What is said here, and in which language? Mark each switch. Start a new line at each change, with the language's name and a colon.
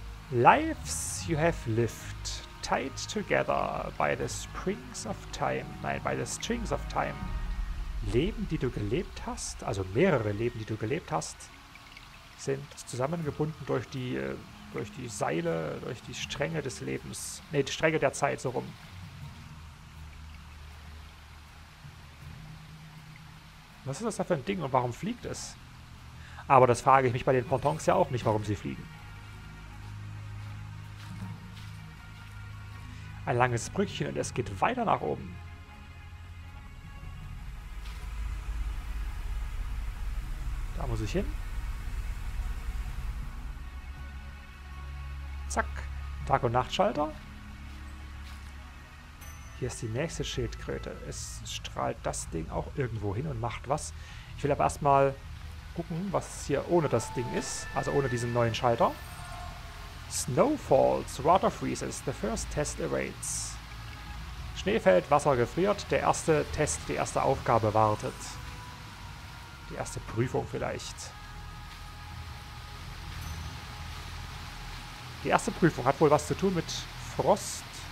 English: Lives you have lived, tied together by the strings of time.
German: Nein,
English: by the strings of time.
German: Leben, die du gelebt hast, also mehrere Leben, die du gelebt hast, sind zusammengebunden durch die... Durch die Seile, durch die Stränge des Lebens. Ne, die Stränge der Zeit, so rum. Was ist das da für ein Ding und warum fliegt es? Aber das frage ich mich bei den Pontons ja auch nicht, warum sie fliegen. Ein langes Brückchen und es geht weiter nach oben. Da muss ich hin. Zack, Tag- und Nachtschalter. Hier ist die nächste Schildkröte. Es strahlt das Ding auch irgendwo hin und macht was. Ich will aber erstmal gucken, was hier ohne das Ding ist. Also ohne diesen neuen Schalter.
English: Snow falls, water freezes, the first test awaits.
German: Schnee fällt, Wasser gefriert, der erste Test, die erste Aufgabe wartet. Die erste Prüfung vielleicht. Die erste Prüfung hat wohl was zu tun mit Frost.